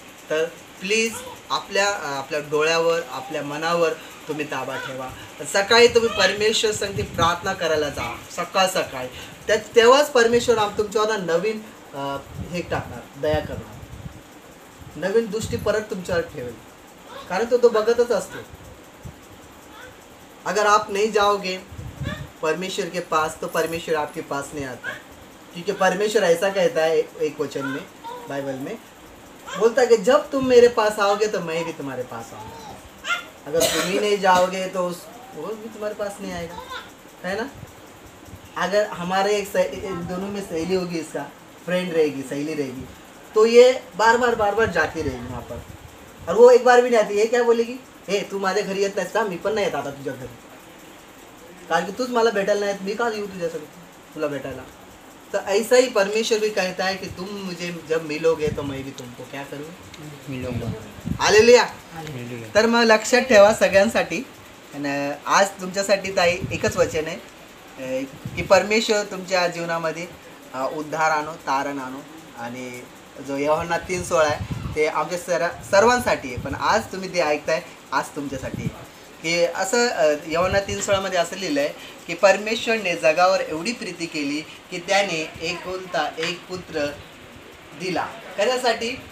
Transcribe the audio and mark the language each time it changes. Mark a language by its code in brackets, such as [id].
[mr] तर प्लीज आपल्या आपल्या डोळ्यावर आपल्या मनावर तुम्ही ताबा ठेवा, सकाळी तुम्ही परमेश्वर संगती प्रार्थना करायला जा सकाळ सकाळी, तेव्हाच परमेश्वर आम तुमच्यावर नवीन हे टाकणार, दया करणार, नवीन दृष्टी परत तुमच्यावर ठेवेल, कारण तो बघतच असतो। [hi] अगर आप नहीं जाओगे परमेश्वर के पास तो परमेश्वर आपके पास नहीं आता, क्योंकि परमेश्वर ऐसा कहता है एक वचन में, बाइबल में बोलता है कि जब तुम मेरे पास आओगे तो मैं भी तुम्हारे पास आऊँगा, अगर तुम ही नहीं जाओगे तो वो भी तुम्हारे पास नहीं आएगा, है ना। अगर हमारे एक दोनों में सहेली होगी, इसका फ्रेंड रहेगी, सहेली रहेगी, तो ये बार बार बार बार जाती रहेगी वहाँ पर, और वो एक बार भी नहीं आती, ये क्या बोलेगी, [mr] हे तू मारे घर येत नाहीस का, मी पण नाही येत आता तुझ्या घरी, कारण की तूच मला भेटायला नाही, मी का येऊ तुझ्यासोबत तुला भेटायला। [hi] तर ऐसा ही परमेश्वर भी कहता है कि तुम मुझे जब मिलोगे तो मैं भी तुमको क्या करूँ, मिलूंगा। हालेलुया। [mr] तर मग लक्षात ठेवा सगळ्यांसाठी, आज तुमच्यासाठी ताई एकच वचन आहे की परमेश्वर तुमच्या जीवनामध्ये उद्धार आणो, तारण आणो, आणि जो यवहन्ना 3:16 आहे ते आमच्या सर्वांसाठी आहे, पण आज तुम्ही ते ऐकताय आज तुमच्यासाठी आहे, की असं यवहन्ना 3:16 असं लिहिलं आहे की परमेश्वरने जगावर एवढी प्रीती केली की त्याने एकुलता एक पुत्र दिला, कशासाठी,